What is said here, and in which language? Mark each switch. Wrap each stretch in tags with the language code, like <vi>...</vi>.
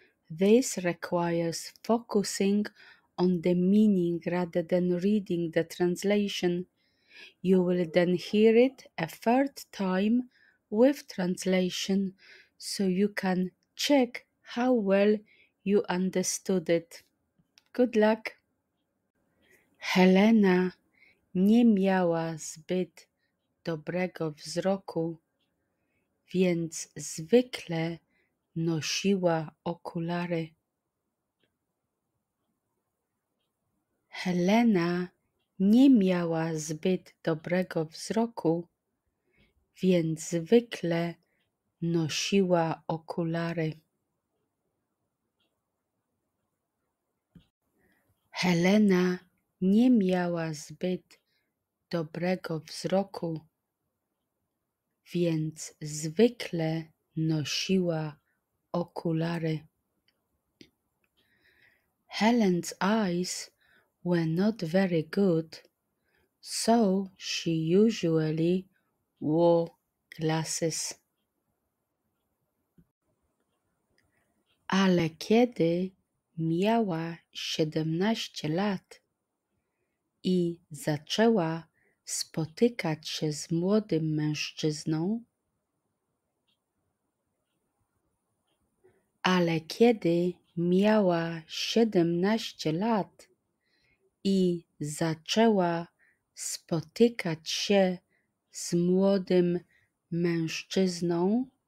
<en>This requires focusing on the meaning rather than reading the translation. You will then hear it a third time with translation so you can check how well you understood it. Good luck!</en> <pl>Helena nie miała zbyt dobrego wzroku, więc zwykle nosiła okulary. Helena nie miała zbyt dobrego wzroku, więc zwykle nosiła okulary. Helena nie miała zbyt dobrego wzroku, więc zwykle nosiła okulary.</pl> <en>Helen's eyes were not very good, so she usually wore glasses.</en> <pl>Ale kiedy miała 17 lat i zaczęła spotykać się z młodym mężczyzną, ale kiedy miała 17 lat i zaczęła spotykać się z młodym mężczyzną,</pl>